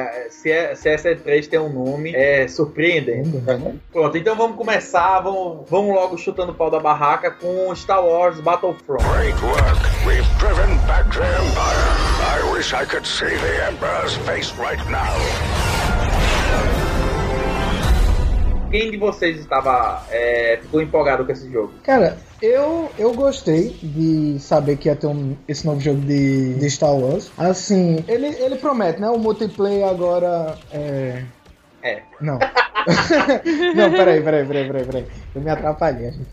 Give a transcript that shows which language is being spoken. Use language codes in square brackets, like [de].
[pt] Se essa E3 tem um nome, é surpreendente. Pronto, então vamos começar, vamos logo chutando o pau da barraca com Star Wars Battlefront. [en] Great work, we've driven back to him. I wish I could see the Emperor's face right now. [pt] Quem de vocês estava ficou empolgado com esse jogo? Cara, eu gostei de saber que ia ter esse novo jogo de Star Wars. Assim, ele promete, né? O multiplayer agora é... Não. Não, peraí. Eu me atrapalhei.